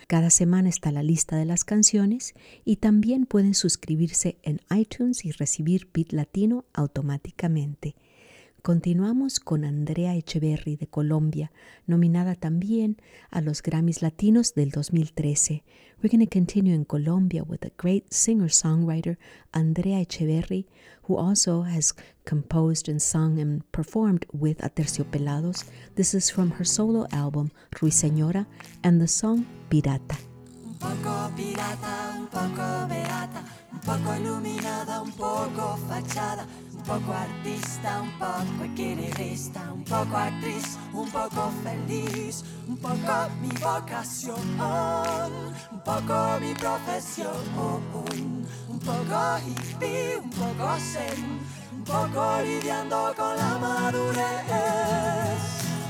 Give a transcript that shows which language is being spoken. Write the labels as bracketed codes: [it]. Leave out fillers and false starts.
[es] Cada semana está la lista de las canciones y también pueden suscribirse en iTunes y recibir Beat Latino automáticamente. Continuamos con Andrea Echeverri de Colombia, nominada también a los Grammys Latinos del 2013. [en] We're going to continue in Colombia with a great singer-songwriter, Andrea Echeverri, who also has composed and sung and performed with Aterciopelados. This is from her solo album, Ruiseñora, and the song, Pirata. [es] Un poco pirata, un poco beata, un poco iluminada, un poco fachada, un poco artista, un poco equilibrista, un poco actriz, un poco feliz, un poco mi vocación, un poco mi profesión, un poco hippie, un poco zen, un poco lidiando con la madurez.